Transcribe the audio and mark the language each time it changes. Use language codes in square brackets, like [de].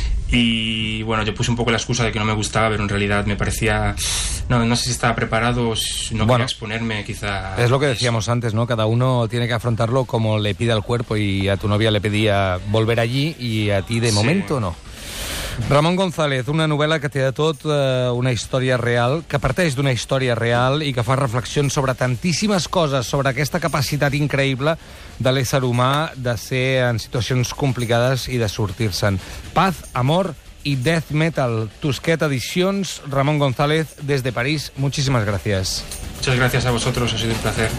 [es] Y bueno, yo puse un poco la excusa de que no me gustaba, pero en realidad me parecía... No sé si estaba preparado, quería exponerme quizá... Es lo que decíamos antes, ¿no? Cada uno tiene que afrontarlo como le pide al cuerpo, y a tu novia le pedía volver allí y a ti de momento no. [ca] Ramón González, una novel·la que té de tot, una història real, que parteix d'una història real i que fa reflexions sobre tantíssimes coses, sobre aquesta capacitat increïble de l'ésser humà de ser en situacions complicades i de sortir-se'n. Paz, amor i death metal. Tusquet Edicions, Ramón González, des de París. [es] Muchísimas gracias. Muchas gracias a vosotros, ha sido un placer.